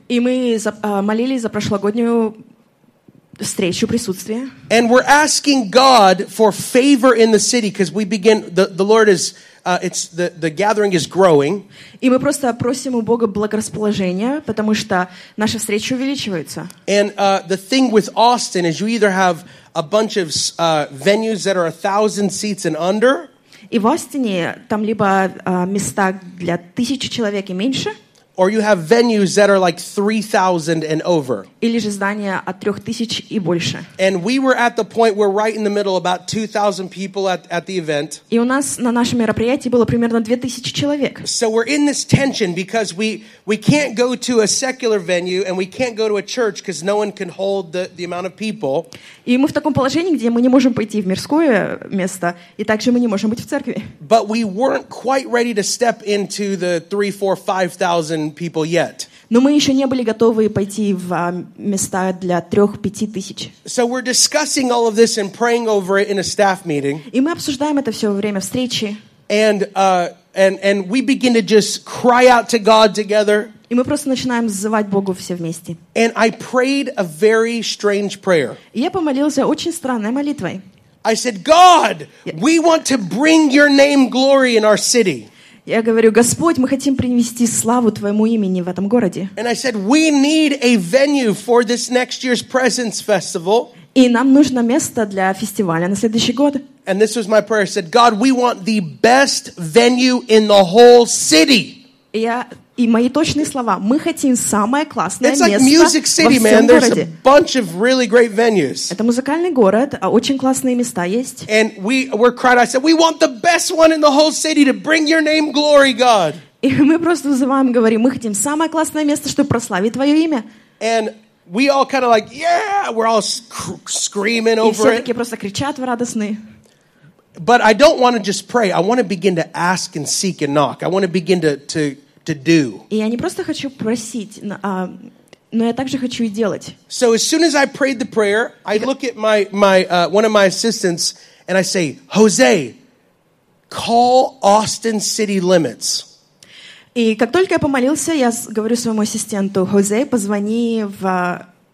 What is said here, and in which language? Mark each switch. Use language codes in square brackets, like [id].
[ru] И мы молились за прошлогоднюю встречу присутствия. [en] And we're asking God for favor in the city because we begin the Lord is. It's the gathering is growing. [ru] И мы просто просим у Бога благорасположения, потому что наша встреча увеличивается. [en] And the thing with Austin is you either have a bunch of venues that are 1,000 seats and under. [ru] И в Остине там либо места для 1,000 человек и меньше. [en] Or you have venues that are like 3,000 and over. [ru] Или же здания от 3,000 и больше. [en] And we were at the point where right in the middle, about 2,000 people at the event. [ru] И у нас на нашем мероприятии было примерно 2,000 человек. [en] So we're in this tension because we can't go to a secular venue and we can't go to a church because no one can hold the amount of people. [ru] И мы в таком положении, где мы не можем пойти в мирское место, и также мы не можем быть в церкви. [en] But we weren't quite ready to step into the 3,000-5,000 people yet. [ru] Но мы еще не были готовы пойти в места для 3-5 тысяч. [en] So we're discussing all of this and praying over it in a staff meeting. [ru] И мы обсуждаем это все во время встречи. [en] And we begin to just cry out to God together. [ru] И мы просто начинаем взывать Богу все вместе. [en] And I prayed a very strange prayer. [ru] И я помолился очень странной молитвой. [en] I said, God, we want to bring your name glory in our city. [ru] Я говорю, Господь, мы хотим принести славу Твоему имени в этом городе. [en] And I said, we need a venue for this next year's Presence Festival. [ru] И нам нужно место для фестиваля на следующий год. [en] And this was my prayer. I said, God, we want the best venue in the whole city. [ru] Я И мои точные слова. Мы хотим самое классное место во всем городе. [en] There's a bunch of really great venues. [ru] Это музыкальный город, а очень классные места есть. [en] And we're crying. I said, we want the best one in the whole city to bring your name glory, God. [ru] И мы просто вызываем, говорим, мы хотим самое классное место, чтобы прославить твое имя. [en] And we all kind of like, yeah, we're all screaming over it. [ru] И все-таки просто кричат в радостные. [en] But I don't want to just pray. I want to begin to ask and seek and knock. I want to begin to do. [ru] И я не просто хочу просить, но я также хочу и делать. [en] So as soon as I prayed the prayer, I look at my one of my assistants and I say, Jose, call Austin City Limits. [ru] И как только я помолился, я говорю своему ассистенту, Jose, позвони в